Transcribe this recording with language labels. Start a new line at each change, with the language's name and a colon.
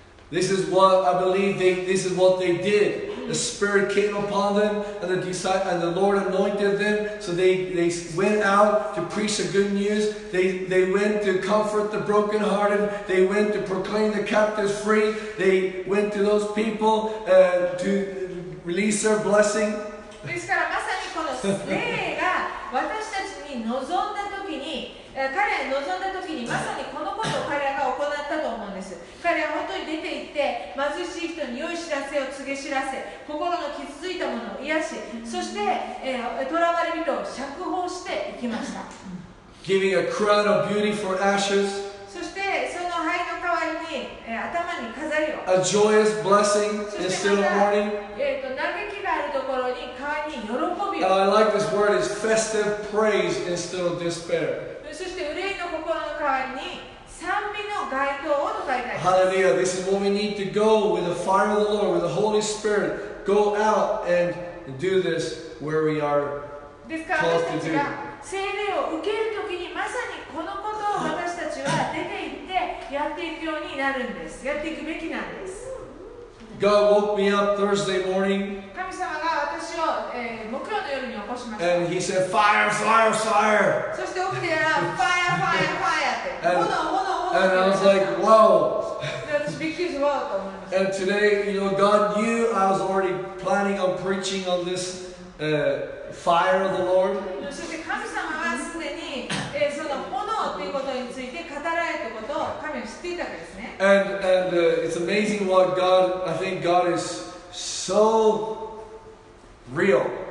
English: This is what I believe this is what they did. The Spirit came upon them and the Lord anointed them. So they went out to preach the good news. They went to comfort the brokenhearted. They went to proclaim the captives free. They went to those people to release their blessing.
Japanese: ですからまさにこの霊が私たちに望んだ時に、彼らに望んだ時にまさにこのことを彼らが行ったと思うんです。彼は本当に出て行って貧しい人に良い知らせを告げ知らせ、心の傷ついたものを癒し、そして囚われ人を釈放していきました。
English: Giving a crown of beauty for ashes.
Japanese: そしてその灰の代わりに頭に飾りを、
English: A joyous blessing instead of mourning.
Japanese: 嘆きがあるところに代わりに喜び
English: を。 I like this word, it's festive praise instead of despair.
Japanese: そして憂いの心の代わりに賛美の街灯を使いたい。
English: Hallelujah, this is what we need to go with the fire of the Lord, with the Holy Spirit. Go out and do this where we are called to do.
Japanese: 聖霊を受けるときにまさにこのことを私たちは出て行ってやっていくようになるんです。やっていくべきなんです。
English: God woke me up Thursday morning.
Japanese: 神様が私を、木曜の夜に起こしました。
English: And he said, fire, fire, fire.
Japanese: そして起きてやら、
English: fire, fire, fire
Japanese: って。炎、炎、炎。
English: And I was like, whoa. And today, you know, God knew I was already planning on preaching on this fire of the Lord.
Japanese: そして神様はすでに、その炎っていうことについて語られたことを神は知っていたわけです。
English: And it's amazing what God, I think God is so real.